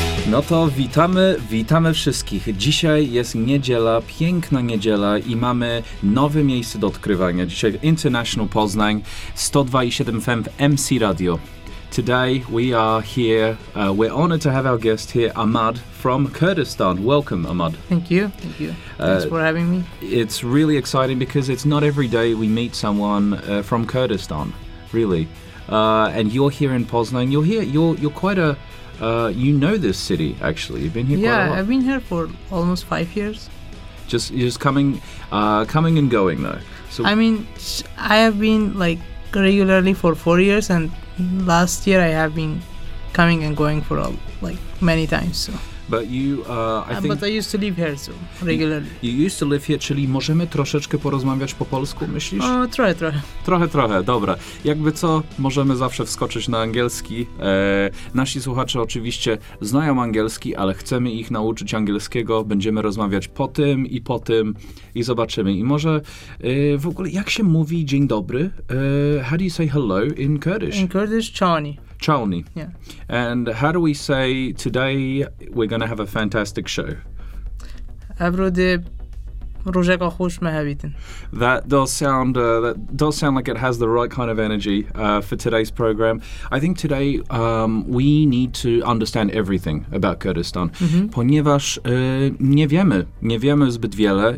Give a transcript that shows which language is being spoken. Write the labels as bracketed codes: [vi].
[pl] No to witamy, witamy wszystkich. Dzisiaj jest niedziela, piękna niedziela i mamy nowe miejsce do odkrywania. Dzisiaj w International Poznań 102.7 FM w MC Radio. [en] Today we are here, we're honored to have our guest here, Ahmad from Kurdistan. Welcome, Ahmad. Thank you. Thanks for having me. It's really exciting because it's not every day we meet someone from Kurdistan, really. And you're here in Poznań, you're quite a... you know this city, actually. You've been here quite a lot. Yeah, I've been here for almost 5 years. Just coming and going, though. So I mean, I have been, like, regularly for 4 years, and last year I have been coming and going for, like, many times, so... But you, I think... But I used to live here, so, regularly. You used to live here, [pl] czyli możemy troszeczkę porozmawiać po polsku, myślisz? Trochę, dobra. Jakby co, możemy zawsze wskoczyć na angielski. Nasi słuchacze oczywiście znają angielski, ale chcemy ich nauczyć angielskiego. Będziemy rozmawiać po tym i zobaczymy. I może w ogóle, jak się mówi dzień dobry? [en] How do you say hello in Kurdish? In Kurdish, Chani. [ku] Chalni. [en] Yeah. And how do we say today we're going to have a fantastic show? That does sound like it has the right kind of energy for today's program. I think today we need to understand everything about Kurdistan, mm-hmm. [pl] ponieważ nie wiemy zbyt wiele.